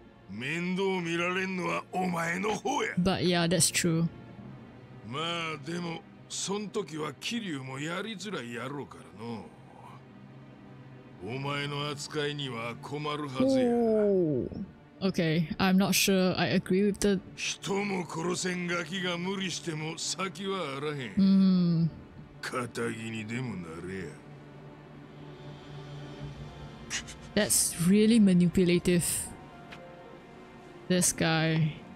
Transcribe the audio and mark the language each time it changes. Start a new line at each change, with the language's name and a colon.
Japanese: 面倒見られんのはお前の方や。
English: But yeah, that's true。
Japanese: まあでもそん時はキリュウもやりづらいやろうからの。お前の扱いには困るはずや。
English: Okay, I'm not sure I agree with the
Japanese: 人も殺せんガキが無理しても先はあらへん。肩気にでもなれや。
English: That's really manipulative. This guy.